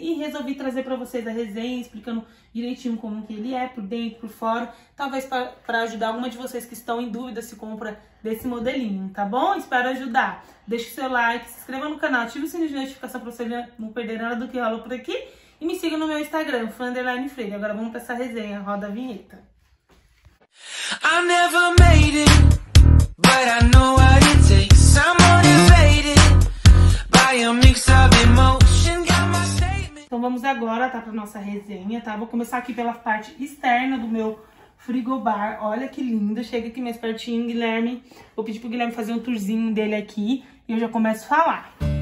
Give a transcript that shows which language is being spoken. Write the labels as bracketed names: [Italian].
[Portuguese] E resolvi trazer pra vocês a resenha, explicando direitinho como que ele é, por dentro, por fora. Talvez pra ajudar alguma de vocês que estão em dúvida se compra desse modelinho, tá bom? Espero ajudar. Deixa o seu like, se inscreva no canal, ative o sininho de notificação pra você não perder nada do que rola por aqui. E me siga no meu Instagram, Franderline Freire. Agora vamos para essa resenha. Roda a vinheta. [English] I never made it, but I know what it takes. I'm motivated by a mix of emotion. Got my statement. [Portuguese] Então vamos agora, tá, para nossa resenha, tá? Vou começar aqui pela parte externa do meu frigobar. Olha que lindo. Chega aqui mais pertinho, Guilherme. Vou pedir pro Guilherme fazer um tourzinho dele aqui e eu já começo a falar.